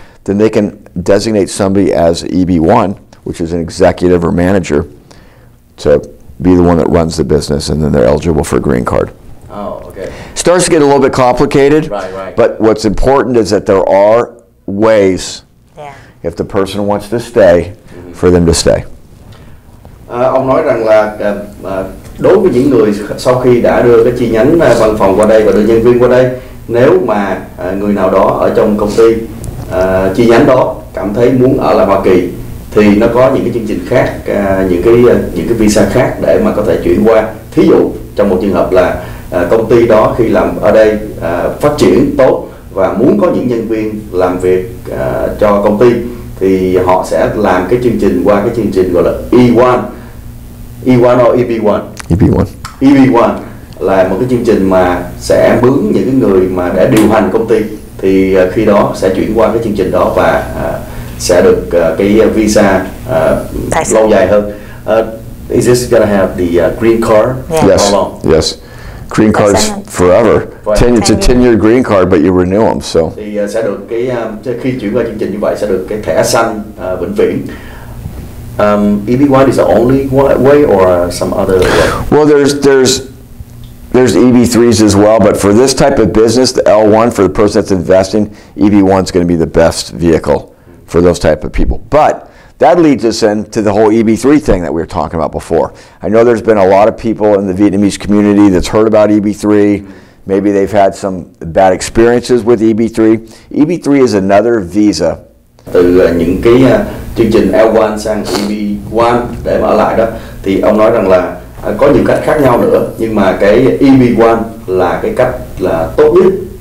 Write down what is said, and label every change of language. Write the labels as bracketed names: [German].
[English] Then they can designate somebody as EB-1, which is an executive or manager, to be the one that runs the business, and then they're eligible for a green card. Oh, okay. Starts to get a little bit complicated. Right, right. But what's important is that there are ways, yeah, if the person wants to stay, for them to stay. [Vietnamese] Ông nói rằng là đối với những người sau khi đã đưa cái chi nhánh văn phòng qua đây và đưa nhân viên qua đây, nếu mà người nào đó ở trong công ty chi nhánh đó cảm thấy muốn ở lại Hoa Kỳ thì nó có những cái chương trình khác, những cái visa khác để mà có thể chuyển qua. Thí dụ trong một trường hợp là công ty đó khi làm ở đây phát triển tốt và muốn có những nhân viên làm việc cho công ty thì họ sẽ làm cái chương trình qua cái chương trình gọi là EB-1 là một cái chương trình mà sẽ mướn những cái người mà đã điều hành công ty, thì khi đó sẽ chuyển qua cái chương trình đó và sẽ được cái visa lâu dài hơn. [English] Is this gonna have the green card? Yes. How long? Yes. Green cards forever. It's a 10-year green card, but you renew them. So. [Vietnamese] Thì sẽ được cái khi chuyển qua chương trình như vậy sẽ được cái thẻ xanh vĩnh viễn. [English] EB-1 is the only way or some other way? Well, there's EB-3s as well, but for this type of business, the L1 for the person that's investing, EB-1 is going to be the best vehicle for those type of people. But that leads us into the whole EB-3 thing that we were talking about before. I know there's been a lot of people in the Vietnamese community that's heard about EB-3. Maybe they've had some bad experiences with EB-3. EB-3 is another visa. [Vietnamese] Từ những cái chương trình L1 sang EB-1 để mà ở lại đó, thì ông nói rằng là có nhiều cách khác nhau nữa, nhưng mà cái EB-1 là cái cách là tốt nhất.